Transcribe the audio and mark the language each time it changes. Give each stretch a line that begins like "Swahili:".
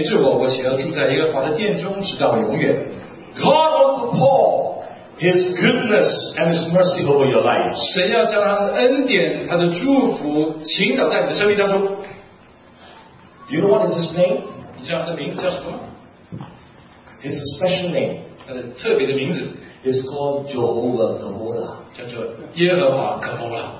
Chinese: 第六节，我一生一世必有恩惠慈爱随着我，我且要住在耶和华的殿中直到永远。
English: God wants to pour His goodness and His mercy over your life.
Chinese: 神要将他的恩典、他的祝福倾倒在你的生命当中。
English: Do you know what is His name?
Chinese: 你知道他的名字叫什么？
English: His special name.
Chinese: 他的特别的名字
English: is called Jehovah Gomorrah.
Chinese: 叫做耶和华可摩拉